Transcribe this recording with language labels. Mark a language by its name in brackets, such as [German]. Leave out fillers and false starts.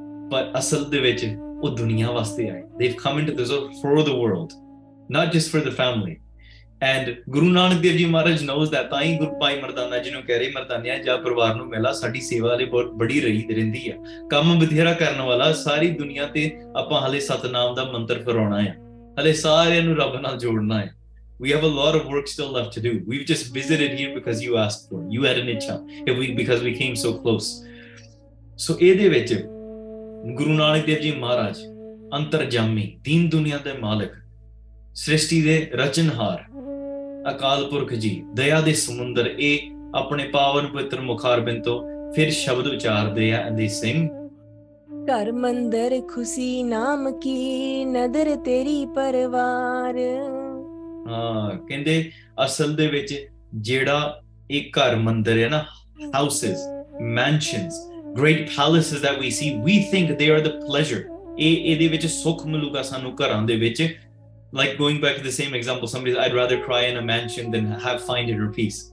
[Punjabi] ਪਰ ਅਸਲ ਦੇ ਵਿੱਚ ਉਹ ਦੁਨੀਆਂ ਵਾਸਤੇ ਆਏ. [English] They come into this earth for the world, not just for the family. [Punjabi] And Guru Nanak Dev ji Maharaj [English] Knows that. [Punjabi] ਤਾਂ ਹੀ ਗੁਰੂ ਭਾਈ ਮਰਦਾਨਾ ਜੀ ਨੂੰ ਕਹਿ ਰਹੇ, ਮਰਦਾਨਿਆ ਜਾ ਪਰਿਵਾਰ ਨੂੰ ਮਿਲਾ, ਸਾਡੀ ਸੇਵਾ ਵਾਲੇ ਬਹੁਤ ਬੜੀ ਰਹਿੰਦੀ ਆ, ਕੰਮ ਬਥੇਰਾ ਕਰਨ ਵਾਲਾ. ਸਾਰੀ ਦੁਨੀਆਂ ਤੇ ਆਪਾਂ ਹਾਲੇ ਸਤਨਾਮ ਦਾ ਮੰਤਰ ਫਰਾਉਣਾ ਆ, ਹਾਲੇ ਸਾਰਿਆਂ ਨੂੰ ਰੱਬ ਨਾਲ ਜੋੜਨਾ ਆ. [English] We have a lot of work still left to do. We've just visited here because you asked for it. You had an ichha, because we came so close. [Punjabi] So ਇਹਦੇ ਵਿੱਚ ਗੁਰੂ ਨਾਨਕ ਦੇਵ ਜੀ ਮਹਾਰਾਜ ਅੰਤਰਜਾਮੀ, ਦੀਨ ਦੁਨੀਆਂ ਦੇ ਮਾਲਕ, ਸ੍ਰਿਸ਼ਟੀ ਦੇ ਰਚਨਹਾਰ, ਅਕਾਲ ਪੁਰਖ ਜੀ, ਦਇਆ ਦੇ ਸਮੁੰਦਰ, ਇਹ ਆਪਣੇ ਪਾਵਨ ਪਵਿੱਤਰ ਮੁਖਾਰਬਿੰਦ ਤੋਂ ਫਿਰ ਸ਼ਬਦ ਉਚਾਰਦੇ ਆ. ਦੇ ਸਿੰਘ ਘਰ ਮੰਦਰ ਖੁਸ਼ੀ ਨਾਮ ਕੀ ਨਦਰ ਤੇਰੀ ਪਰਿਵਾਰ. ਹਾਂ, ਕਹਿੰਦੇ ਅਸਲ ਦੇ ਵਿੱਚ ਜਿਹੜਾ ਇਹ ਘਰ ਮੰਦਰ ਹੈ ਨਾ, [English] Houses, mansions, great palaces that we see, we think they are the pleasure. [Punjabi] ਇਹਦੇ ਵਿੱਚ ਸੁੱਖ ਮਿਲੂਗਾ ਸਾਨੂੰ ਘਰਾਂ ਦੇ ਵਿੱਚ. [English] Like going back to the same example, somebody says, I'd rather cry in a mansion than find inner peace.